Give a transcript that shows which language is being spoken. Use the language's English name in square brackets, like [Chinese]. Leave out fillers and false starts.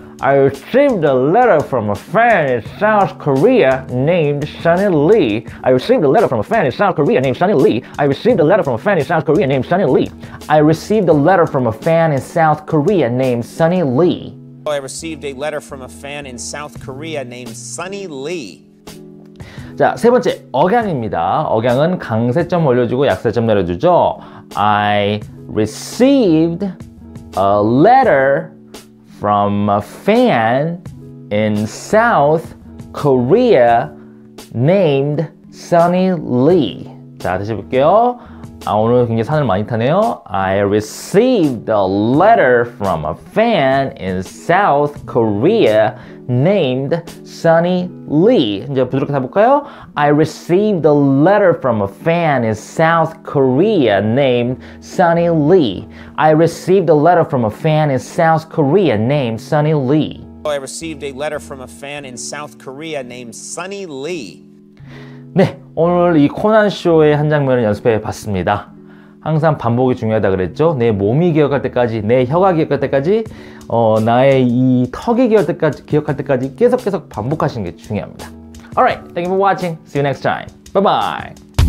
[English] I received a letter from a fan in South Korea named Sunny Lee. I received a letter from a fan in South Korea named Sunny Lee. I received a letter from a fan in South Korea named Sunny Lee. I received a letter from a fan in South Korea named Sunny Lee. I received a letter from a fan in South Korea named Sunny Lee. [Korean] 자, 세 번째 억양입니다. 억양은 강세점 올려주고 약세점 내려주죠. [English] I received a letter from a fan in South Korea named Sunny Lee. [Korean] 자, 다시 볼게요. 아, 오늘 굉장히 산을 많이 타네요. [English] I received a letter from a fan in South Korea named Sunny Lee. [Korean] 이제 부드럽게 타볼까요? [English] I received a letter from a fan in South Korea named Sunny Lee. I received a letter from a fan in South Korea named Sunny Lee. I received a letter from a fan in South Korea named Sunny Lee. [Korean] 네, 오늘 이 코난쇼의 한 장면을 연습해 봤습니다. 항상 반복이 중요하다 그랬죠. 내 몸이 기억할 때까지, 내 혀가 기억할 때까지, 나의 이 턱이 기억할 때까지 계속 반복하시는 게 중요합니다. [English] Alright, thank you for watching. See you next time. Bye bye.